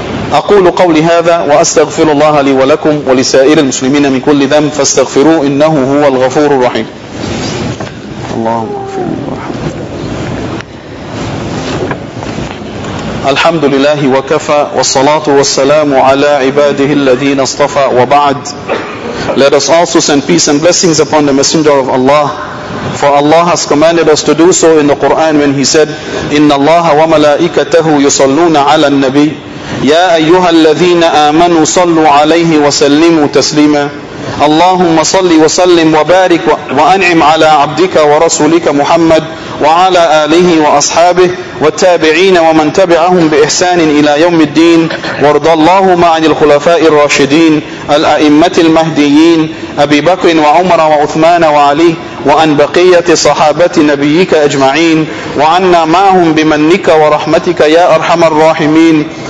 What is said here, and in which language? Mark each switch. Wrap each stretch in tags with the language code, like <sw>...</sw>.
<ar>أقول قولي هذا وأستغفر الله لي ولكم ولسائر المسلمين من كل ذنب فاستغفروه إنه هو الغفور الرحيم. اللهم اغفر لي وارحمني. الحمد لله وكفى والصلاة والسلام على عباده الذين اصطفى وبعد.</ar> <en>Let us also send peace and blessings upon the Messenger of Allah. For Allah has commanded us to do so in the Quran when He said,</en> <ar>إِنَّ اللَّهَ وَمَلَائِكَتَهُ يُصَلُّونَ عَلَى النَّبِيِّ يَا أَيُّهَا الَّذِينَ آمَنُوا صَلُّوا عَلَيْهِ وَسَلِّمُوا تَسْلِيمًا اللهم صل وسلم وبارك وأنعم على عبدك ورسولك محمد وعلى آله وأصحابه والتابعين ومن تبعهم بإحسان إلى يوم الدين وارض اللهم عن الخلفاء الراشدين الأئمة المهديين أبي بكر وعمر وعثمان وعلي وأن بقية صحابة نبيك أجمعين وعنا معهم بمنك ورحمتك يا أرحم الراحمين</ar>